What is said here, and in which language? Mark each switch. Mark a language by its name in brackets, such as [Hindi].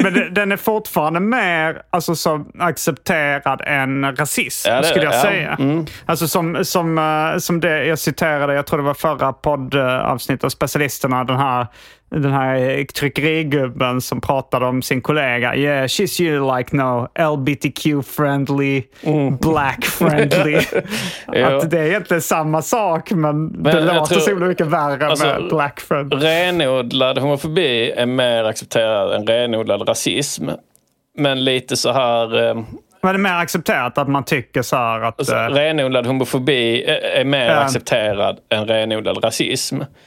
[Swedish] Men den är fortfarande mer... Alltså, så accepterad en rasism, ja, det, skulle jag, ja, säga. Mm. Alltså som det jag citerade, jag tror det var förra poddavsnittet av Specialisterna, den här tryckerigubben som pratade om sin kollega. [English] Yeah, she's you like no LGBTQ friendly, black friendly. [Swedish] Att det är egentligen samma sak, men det låter så mycket värre, alltså, med [English] black friendly. [Swedish] Renodlad homofobi är mer accepterad än renodlad rasism. Men lite så här... Men det är mer accepterat att man tycker så här att... Alltså, renodlad homofobi är mer accepterad än renodlad rasism.